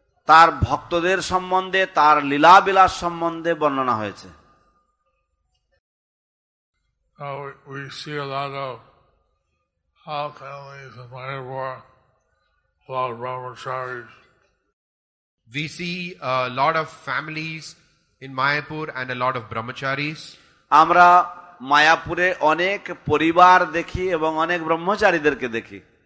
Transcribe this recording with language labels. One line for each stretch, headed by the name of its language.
Bangla: তার ভক্তদের সম্বন্ধে, তার লীলা বিলাস সম্বন্ধে বর্ণনা হয়েছে.
English: We see a lot of how families in Mayapur, a lot of brahmacharis. We see a lot of families in Mayapur and a lot of brahmacharis.
Bangla: আমরা মায়াপুরে অনেক পরিবার দেখি এবং অনেক ব্রহ্মচারীদেরকে দেখি.